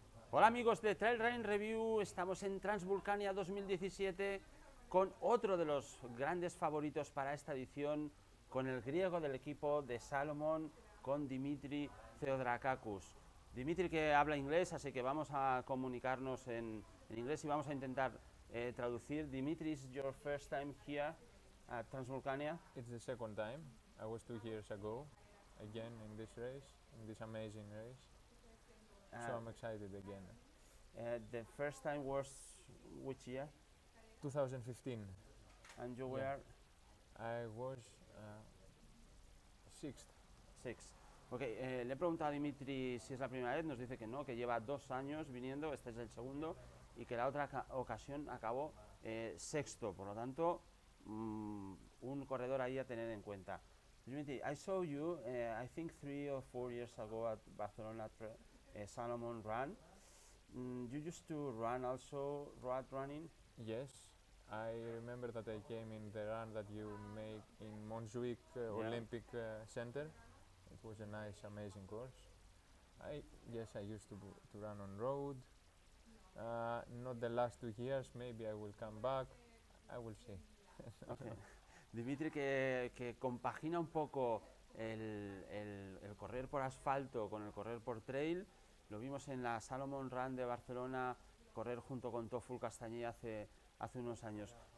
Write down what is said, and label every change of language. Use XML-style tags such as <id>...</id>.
<es>Hola amigos de Trail Running Review, estamos en Transvulcania 2017 con otro de los grandes favoritos para esta edición, con el griego del equipo de Salomon, con Dimitri Theodorakakis. Dimitri, que habla inglés, así que vamos a comunicarnos en inglés y vamos a intentar traducir.</es> <en>Dimitri, is your first time here at Transvulcania? It's the second time. I was 2 years ago, again in this race, in this amazing race. So I'm excited again. The first time was which year? 2015. And you were? I was sixth. Sixth.</en> <es>Okay, le he preguntado a Dimitri si es la primera vez, nos dice que no, que lleva 2 años viniendo, este es el segundo, y que la otra ocasión acabó sexto, por lo tanto, un corredor ahí a tener en cuenta.</es> <en>Dimitri, I saw you, I think 3 or 4 years ago at Barcelona, Salomon Run. You used to run also road running? Yes, I remember that I came in the run that you make in Montjuic Olympic Center. It was a nice, amazing course. I used to run on road. Not the last 2 years, maybe I will come back. I will see.</en> <es>Dimitri, que compagina un poco el correr por asfalto con el correr por trail. Lo vimos en la Salomon Run de Barcelona correr junto con Tofull Castañé hace unos años.</es>